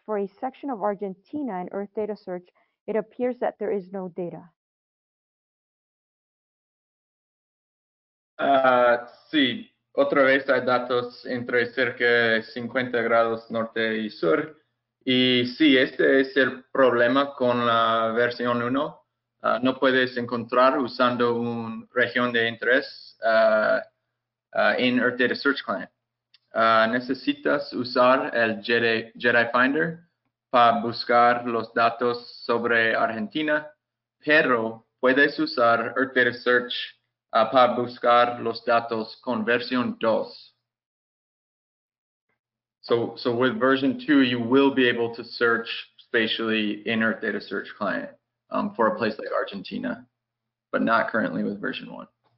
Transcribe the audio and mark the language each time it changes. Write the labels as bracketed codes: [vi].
[en] For a section of Argentina in Earth Data Search, it appears that there is no data. [es] Sí, otra vez hay datos entre cerca de 50 grados norte y sur. Y sí, este es el problema con la versión 1. No puedes encontrar usando una región de interés en Earth Data Search Client. Necesitas usar el Jedi Finder para buscar los datos sobre Argentina, pero puedes usar Earth Data Search para buscar los datos con versión 2. [en] So with version 2, you will be able to search spatially in Earth Data Search Client for a place like Argentina, but not currently with version 1.